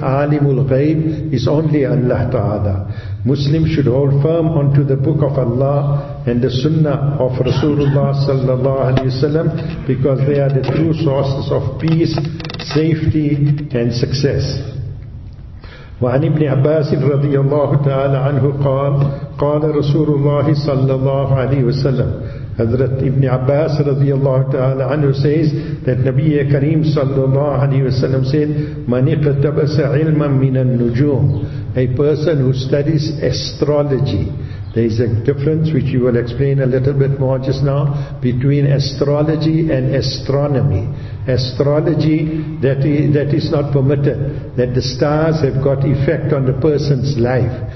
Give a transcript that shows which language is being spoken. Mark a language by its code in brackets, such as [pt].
[en] Alimul Ghaib is only Allah Ta'ala. Muslims should hold firm onto the book of Allah and the sunnah of Rasulullah sallallahu alaihi wasallam, because they are the true sources of peace, safety and success. [ar] وعن ابن عباس رضي الله تعالى عنه قال قال رسول الله صلى الله عليه وسلم. [en] Hazrat Ibn Abbas [ar] رضي الله تعالى عنه [en] says that [ar] نبي كريم صلى الله عليه وسلم [en] said, [ar] من اقتبس علما من النجوم. [en] A person who studies astrology. There is a difference, which you will explain a little bit more just now, between astrology and astronomy. Astrology, that is not permitted, that the stars have got effect on the person's life.